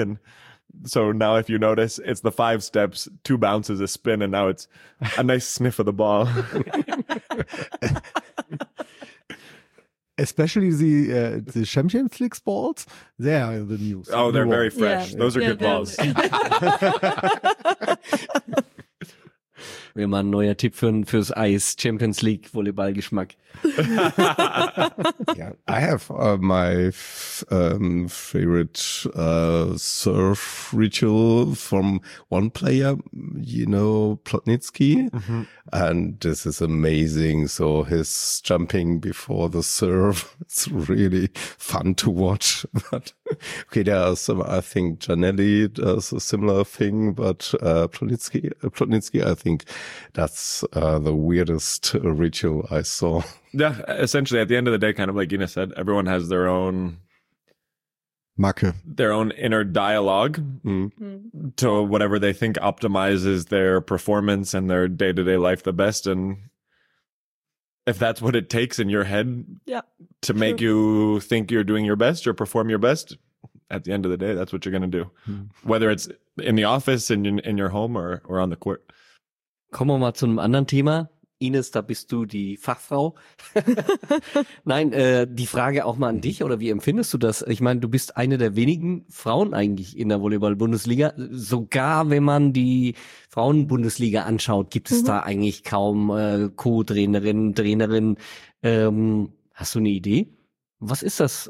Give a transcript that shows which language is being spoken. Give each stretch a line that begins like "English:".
English: And so now if you notice, it's the 5 steps, 2 bounces, a spin, and now it's a nice sniff of the ball. especially the Champions League balls, they are the news. Oh, they're new very fresh. Yeah. Those are good balls.
German: Wir machen ein neuer Tipp fürs Eis, Champions League Volleyballgeschmack.
English: Yeah, I have my favorite surf ritual from one player, you know, Plotnitsky. Mm-hmm. And this is amazing. So his jumping before the surf, it's really fun to watch. But okay, there are some, I think Giannelli does a similar thing, but Plotnitsky, I think that's the weirdest ritual I saw. Yeah, essentially at the end of the day, kind of like Gina said, everyone has their own
German: Macke.
English: Their own inner dialogue to whatever they think optimizes their performance and their day-to-day life the best. And if that's what it takes in your head to make you think you're doing your best or perform your best, at the end of the day, that's what you're going to do. Mm. Whether it's in the office, in your home, or on the court.
German: Kommen wir mal zu einem anderen Thema. Ines, da bist du die Fachfrau. Nein, die Frage auch mal an dich, oder wie empfindest du das? Ich meine, du bist eine der wenigen Frauen eigentlich in der Volleyball-Bundesliga. Sogar wenn man die Frauen-Bundesliga anschaut, gibt es da eigentlich kaum Co-Trainerinnen. Hast du eine Idee? Was ist das?